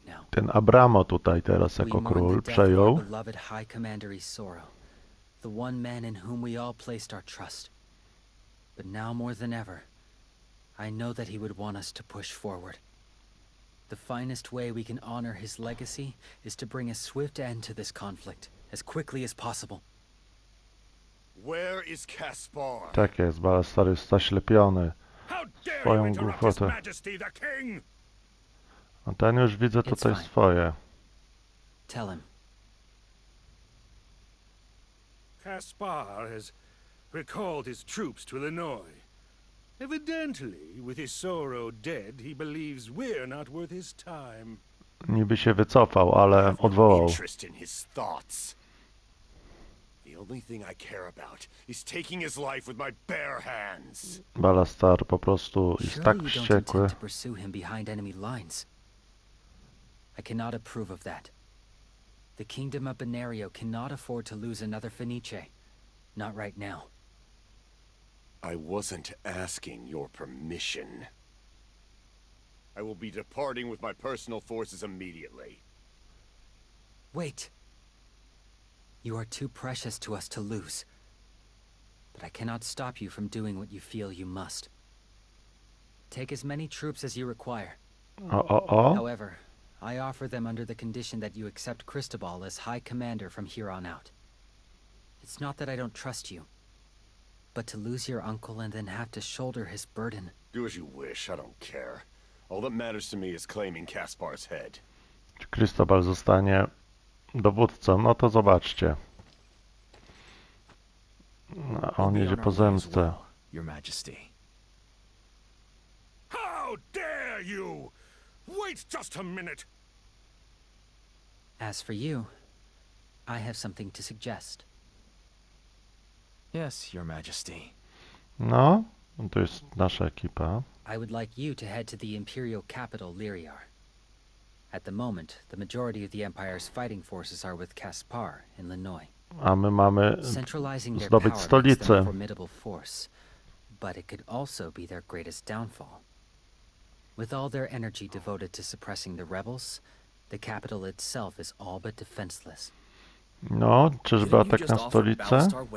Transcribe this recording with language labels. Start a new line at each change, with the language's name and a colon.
Polish: Ten Abramo tutaj teraz jako król przejął.
English: The one man in whom we all placed our trust. But now more than ever, I know that he would want us to push forward. The finest way we can honor his legacy is to bring a swift end to this conflict, as quickly as possible. Where is Caspar?
Polish: Tak jest, Balastar jest zaślepiony.
English: How dare you interrupt his majesty, the king!
Polish: A ten już widzę tutaj swoje.
English: Tell him. Caspar has recalled his troops to Illinois. Evidently, with his sorrow dead, he believes we're not worth his time.
Polish: Niby się wycofał, ale odwołał.
English: I have no interest in his thoughts. The only thing I care about is taking his life with my bare hands.
Polish: Balastar po prostu jest
English: sure
Polish: tak wściekły.
English: You don't intend to pursue him behind enemy lines. I cannot approve of that. The kingdom of Benario cannot afford to lose another Fenice. Not right now. I wasn't asking your permission. I will be departing with my personal forces immediately. Wait. You are too precious to us to lose. But I cannot stop you from doing what you feel you must. Take as many troops as you require. However, I offer them under the condition that you accept Cristobal as High Commander from here on out. It's not that I don't trust you, but to lose your uncle and then have to shoulder his burden. Do as you wish, I don't care. All that matters to me is claiming Caspar's head.
Polish: Czy Cristobal zostanie dowódcą? No to zobaczcie. No, on jedzie po zemstę.
English: Your Majesty. How dare you! Wait just a minute. As for you, I have something to suggest. Yes, Your Majesty.
Polish: No, to jest nasza ekipa.
English: I would like you to head to the Imperial capital, Lyriar. At the moment, the majority of the Empire's fighting forces are with Caspar in Lannoy.
Polish: A my mamy
English: centralizing
Polish: zdobyć
English: their
Polish: stolicę.
English: Makes them a formidable force, but it could also be their greatest downfall. With all their energy devoted to suppressing the rebels, the capital itself is all but defenseless.
Polish: No, czyżby atak na stolicę?